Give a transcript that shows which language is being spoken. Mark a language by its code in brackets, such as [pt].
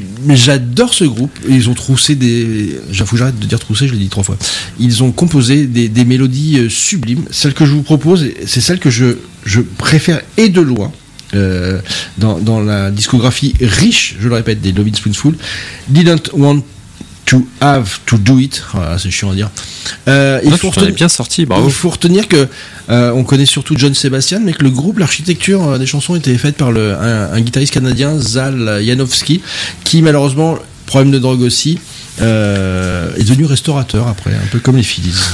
[fr] J'adore ce groupe. Ils ont troussé des. J'arrête de dire troussé, je l'ai dit trois fois. Ils ont composé des mélodies sublimes. Celle que je vous propose, c'est celle que je préfère et de loin dans la discographie riche, je le répète, des Lovin' Spoonful. [en] Didn't want to have to do it. [fr] Voilà, c'est chiant à dire. Il faut retenir que. On connaît surtout John Sebastian, mais que le groupe, l'architecture des chansons était faite par un guitariste canadien, Zal Yanofsky, qui malheureusement, problème de drogue aussi, est devenu restaurateur après, un peu comme les Phillies.